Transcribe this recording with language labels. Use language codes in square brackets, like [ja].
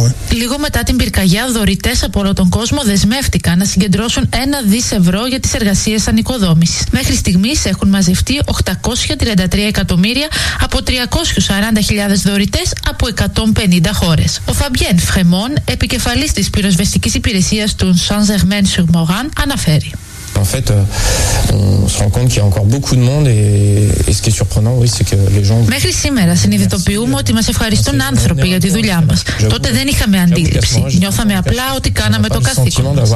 [el] Λίγο μετά την πυρκαγιά, δωρητές από όλο τον κόσμο δεσμεύτηκαν να συγκεντρώσουν 1 δις ευρώ για τις εργασίες ανοικοδόμησης. Μέχρι στιγμής έχουν μαζευτεί 833 εκατομμύρια από 340.000 δωρητές από 150 χώρες. Ο Φαμπιέν Φρεμόν, επικεφαλής της πυροσβεστικής υπηρεσίας του Saint-Germain-sur-Morin, αναφέρει. [fr] En fait, on se rend compte qu'il y a encore beaucoup de monde et ce qui est surprenant, oui, c'est que les gens. [el] Μέχρι σήμερα συνειδητοποιούμε ότι μας ευχαριστούν άνθρωποι για τη δουλειά μας. Τότε δεν είχαμε αντίληψη. Νιώθαμε απλά ότι κάναμε το καθήκον.